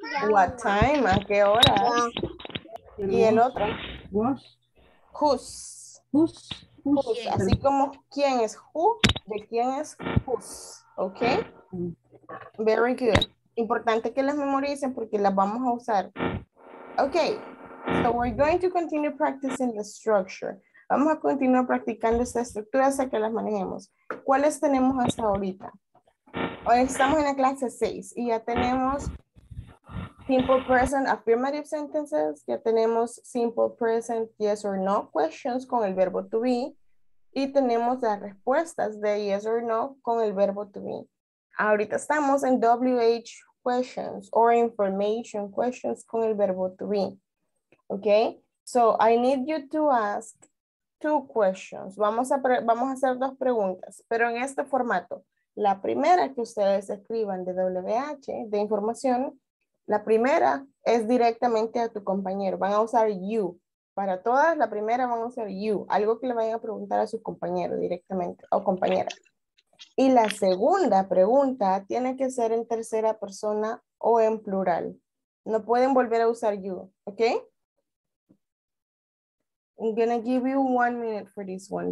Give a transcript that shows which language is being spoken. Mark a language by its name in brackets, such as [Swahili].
[English] What time? [Spanish] ¿A qué hora? ¿Y el otro? [English] Who's. [Spanish] Who's. Así como quién es who, de quién es who's. ¿Ok? [English] Very good. [Spanish] Importante que las memoricen porque las vamos a usar. Ok. [English] So we're going to continue practicing the structure. [Spanish] Vamos a continuar practicando esta estructura hasta que las manejemos. ¿Cuáles tenemos hasta ahorita? Hoy estamos en la clase 6 y ya tenemos simple present affirmative sentences, ya tenemos simple present yes or no questions con el verbo to be y tenemos las respuestas de yes or no con el verbo to be. Ahorita estamos en WH questions or information questions con el verbo to be. [English] Okay, so I need you to ask two questions. [Spanish] Vamos a hacer dos preguntas, pero en este formato. La primera que ustedes escriban de WH, de información, la primera es directamente a tu compañero. Van a usar you. Para todas, la primera van a usar you. Algo que le vayan a preguntar a su compañero directamente o compañera. Y la segunda pregunta tiene que ser en tercera persona o en plural. No pueden volver a usar you, okay? [English] I'm going to give you 1 minute for this one.